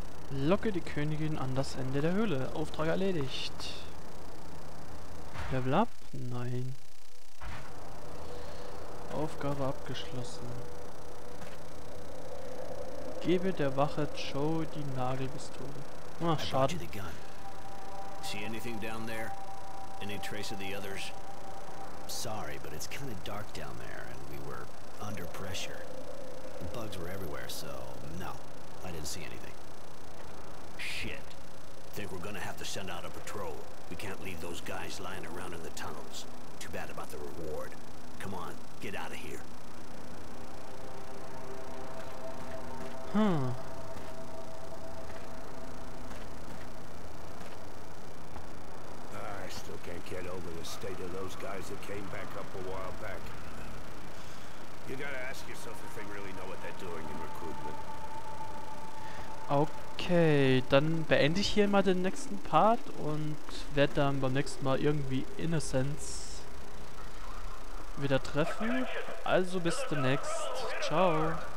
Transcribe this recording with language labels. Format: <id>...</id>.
<de>Locke die Königin an das Ende der Höhle. Auftrag erledigt. Level up? Nein. Aufgabe abgeschlossen. Gebe der Wache Joe die Nagelpistole. Ach, schade.</de> <en>I brought you the gun. See anything down there? Any trace of the others? Sorry, but it's kind of dark down there and we were under pressure. Bugs were everywhere, so no, I didn't see anything. Shit. Think we're gonna have to send out a patrol. We can't leave those guys lying around in the tunnels. Too bad about the reward. Come on, get out of here. Hmm. I still can't get over the state of those guys that came back up a while back. You gotta ask yourself if they really know what they're doing in recruitment.</en> <de>Okay, dann beende ich hier mal den nächsten Part und werde dann beim nächsten Mal irgendwie Innocence wieder treffen. Also bis demnächst. Ciao.</de>